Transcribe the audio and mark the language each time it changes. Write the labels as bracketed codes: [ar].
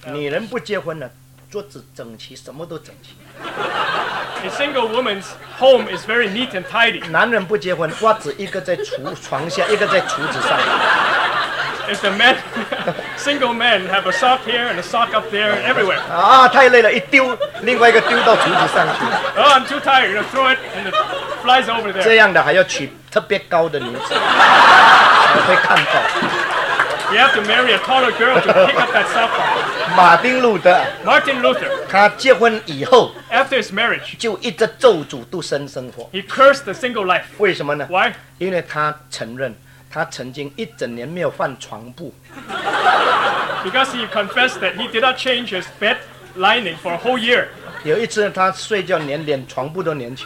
[zh] 女人不结婚呢，桌子整齐，什么都整齐。 [en] A single woman's home is very neat and tidy. [zh] 男人不结婚，袜子一个在床下，一个在橱子上。 [en] If the man, single man, have a sock here and a sock up there and everywhere. [zh] 啊，太累了，一丢，另外一个丢到橱子上去。 [en] Oh, I'm too tired. You throw it and it flies over there. [zh] 这样的还要娶特别高的女子。会看到。 [en] You have to marry a taller girl to pick up that sofa. [zh] 马丁路德。 [en] Martin Luther. [zh] 他结婚以后。 [en] After his marriage. [zh] 就一直咒诅独身生活。 [en] He cursed the single life. [zh] 为什么呢 [en] ？Why? [zh] 因为他承认他曾经一整年没有换床铺。 [en] Because he confessed that he did not change his bed lining for a whole year. [zh] 有一次他睡觉连脸床布都粘起